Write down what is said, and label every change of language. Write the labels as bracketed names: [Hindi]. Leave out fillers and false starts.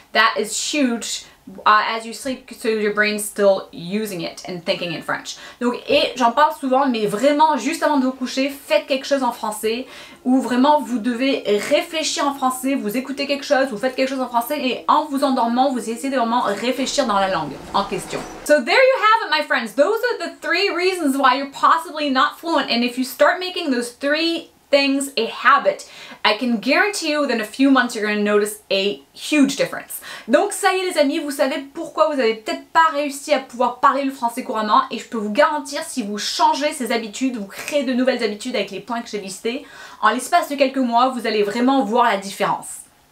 [English] That is huge as you sleep, so your brain's still using it and thinking in French. [French] Donc, et j'en parle souvent, mais vraiment, juste avant de vous coucher, faites quelque chose en français. Ou vraiment, vous devez réfléchir en français, vous écoutez quelque chose, vous faites quelque chose en français. Et en vous endormant, vous essayez de vraiment réfléchir dans la langue en question. [English] So there you have it, my friends. Those are the three reasons why you're possibly not fluent. And if you start making those three things a habit, I can guarantee you within a few months you're going to notice a huge difference. [French] Donc ça y est les amis, vous savez pourquoi vous avez peut-être pas réussi à pouvoir parler le français couramment, et je peux vous garantir, si vous changez ces habitudes, vous créez de nouvelles habitudes avec les points que j'ai listés, en l'espace de quelques mois, vous allez vraiment voir la différence.